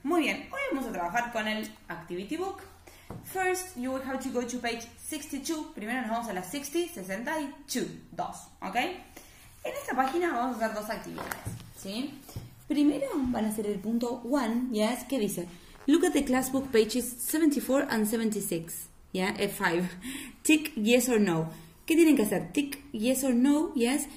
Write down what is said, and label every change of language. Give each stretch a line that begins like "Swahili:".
Spanish: Muy bien, hoy vamos a trabajar con el activity book.
English: First, you will have to go to page 62.
Spanish: Primero nos vamos a la 62, ¿ok? En esta página vamos a hacer dos actividades, ¿sí? Primero van a ser el punto 1, ¿yes? Que dice,
English: look at the class book pages 74 and 76, ¿yeah? F5. Tick yes or no.
Spanish: ¿Qué tienen que hacer?
English: Tick yes or no, ¿yes?